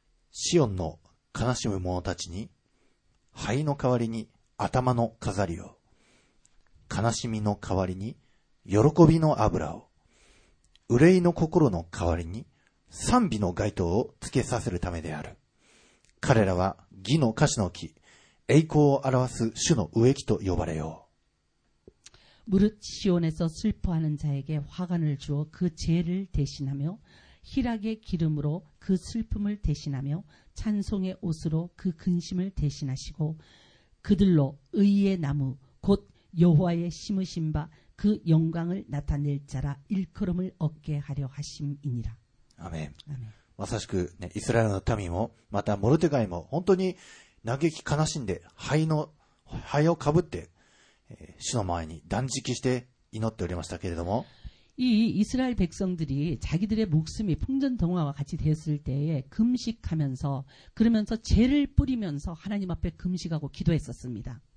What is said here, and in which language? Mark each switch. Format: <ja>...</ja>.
<ja>シオンの悲しむ者たちに、灰の代わりに頭の飾りを、悲しみの代わりに喜びの油を、憂いの心の代わりに賛美の街灯をつけさせるためである。彼らは義の樫の木、栄光を表す主の植木と呼ばれよう。</ja> <ko>무릇 시온에서 슬퍼하는 자에게 화관을 주어 그 죄를 대신하며 희락의 기름으로 그 슬픔을 대신하며 찬송의 옷으로 그 근심을 대신하시고 그들로 의의 나무 곧 여호와의 심으신 바 그 영광을 나타낼 자라 일컬음을 얻게 하려 하심이니라. 아멘. 아멘.</ko> <ja>まさしく、ね、イスラエルの民もまたモルデカイも本当に嘆き悲しんで灰をかぶって、主の前に断食して祈っておりましたけれども、</ja> <ko>이스라엘백성들이자기들의목숨이풍전등화와같이되었을때에금식하면서그러면서죄를뿌리면서하나님앞에금식하고기도했었습니다</ko>